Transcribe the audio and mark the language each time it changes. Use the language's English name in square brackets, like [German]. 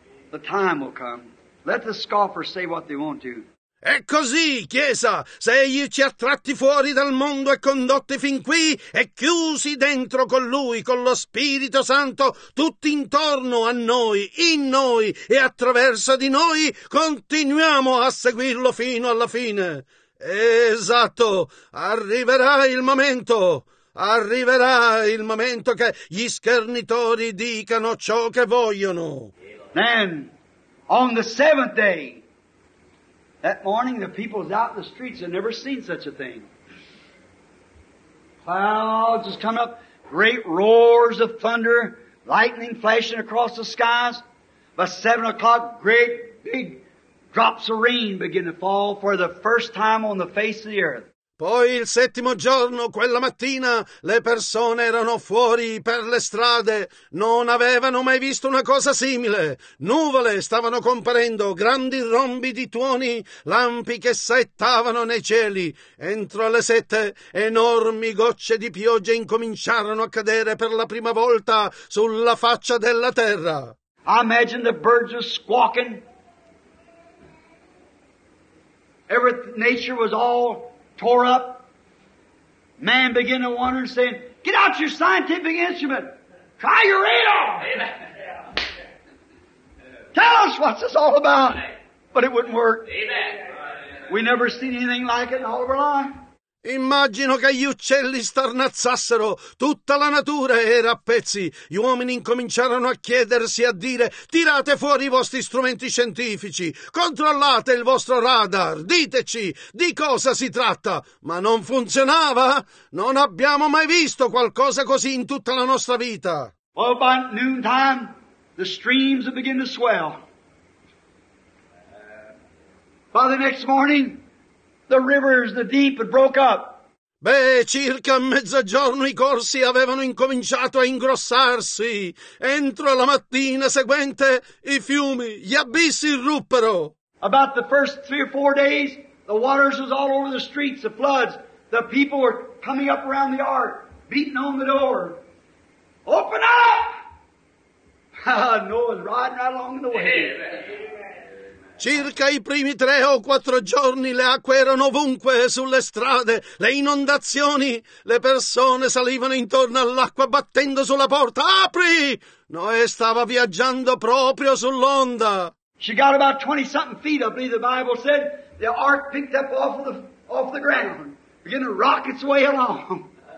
[English] The time will come. Let the scoffer say what they want to. [Italian] È così, Chiesa. Se egli ci ha tratti fuori dal mondo e condotti fin qui e chiusi dentro con lui, con lo Spirito Santo, tutti intorno a noi, in noi e attraverso di noi, continuiamo a seguirlo fino alla fine. Esatto. Arriverà il momento. Arriverà il momento che gli schernitori dicano ciò che vogliono. [English] Then, on the seventh day, that morning the people's out in the streets had never seen such a thing. Clouds just come up, great roars of thunder, lightning flashing across the skies. By 7 o'clock, great big drops of rain begin to fall for the first time on the face of the earth. [Italian] Poi il settimo giorno, quella mattina, le persone erano fuori per le strade. Non avevano mai visto una cosa simile. Nuvole stavano comparendo, grandi rombi di tuoni, lampi che saettavano nei cieli. Entro le 7, enormi gocce di pioggia incominciarono a cadere per la prima volta sulla faccia della terra. [English] I imagine the birds were squawking. Nature was all tore up. Man began to wonder and saying, "Get out your scientific instrument. Try your radar. Tell us what this is all about." But it wouldn't work. We never seen anything like it in all of our life. [Italian] Immagino che gli uccelli starnazzassero, tutta la natura era a pezzi, gli uomini incominciarono a chiedersi, a dire: «Tirate fuori i vostri strumenti scientifici, controllate il vostro radar, diteci di cosa si tratta!» Ma non funzionava? Non abbiamo mai visto qualcosa così in tutta la nostra vita. [English] Well, by noontime, the streams begin to swell. By the next morning, the rivers, the deep, had broke up. [Italian] Beh, circa a mezzogiorno i corsi avevano incominciato a ingrossarsi. Entro la mattina seguente, i fiumi, gli abissi irruppero. [English] About the first 3 or 4 days, the waters was all over the streets, the floods. The people were coming up around the ark, beating on the door. Open up! Noah's riding right along the way. Amen. [Italian] Circa i primi tre o quattro giorni le acque erano ovunque, sulle strade, le inondazioni. Le persone salivano intorno all'acqua battendo sulla porta. Apri! Noè stava viaggiando proprio sull'onda. [English] She got about 20-something feet, I believe the Bible said. The ark picked up off the ground, beginning to rock its way along.